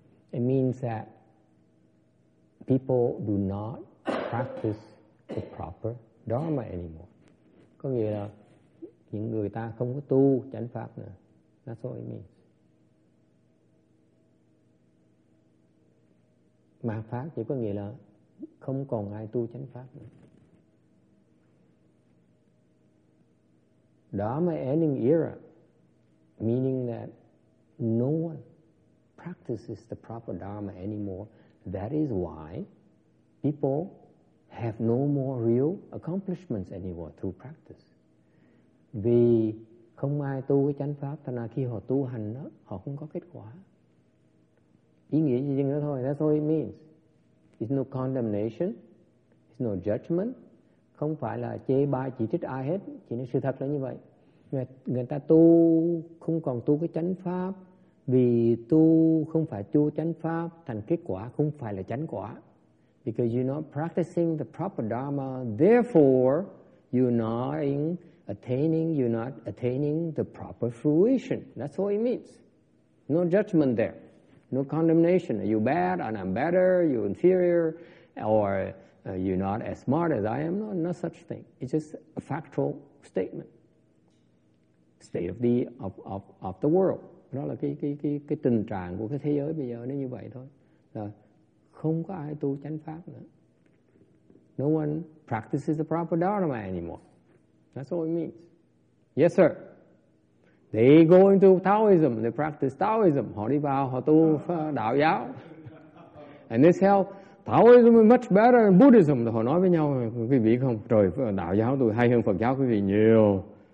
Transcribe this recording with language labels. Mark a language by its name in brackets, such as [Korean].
[English] It means that people do not practice the proper Dharma anymore. [Vietnamese] Có nghĩa là những người ta không có tu chánh pháp nữa. [English] That's what it means. [Vietnamese] Mà pháp chỉ có nghĩa là không còn ai tu chánh pháp nữa. [English] Dharma ending era, meaning that no one practices the proper Dharma anymore. That is why people have no more real accomplishments anymore through practice. [Vietnamese] Vì không ai tu cái chánh pháp, thành ra khi họ tu hành đó, họ không có kết quả. Ý nghĩa gì chừng đó thôi, [English] that's all it means. It's no condemnation, it's no judgment. [Vietnamese] Không phải là chê bai chỉ trích ai hết, chỉ là sự thật là như vậy. Người ta tu không còn tu cái chánh pháp, vì tu không phải tu chánh pháp, thành kết quả không phải là chánh quả. [English] Because you're not practicing the proper Dharma, therefore you're not attaining the proper fruition. That's what it means. No judgment there. No condemnation. Are you bad and I'm better? You're inferior? Or you're not as smart as I am? No, no such thing. It's just a factual statement. State of the world. [Vietnamese] Đó là cái tình trạng của cái thế giới bây giờ nó như vậy thôi. Là không có ai tu chánh pháp nữa. [English] No one practices the proper Dharma anymore. That's all it means. Yes, sir. They go into Taoism. They practice Taoism. [Vietnamese] Họ đi vào, họ tu đạo giáo. [English] And they say, Taoism is much better than Buddhism. [Vietnamese] Họ nói với nhau, quý vị biết không? Trời, đạo giáo tôi hay hơn Phật giáo quý vị nhiều.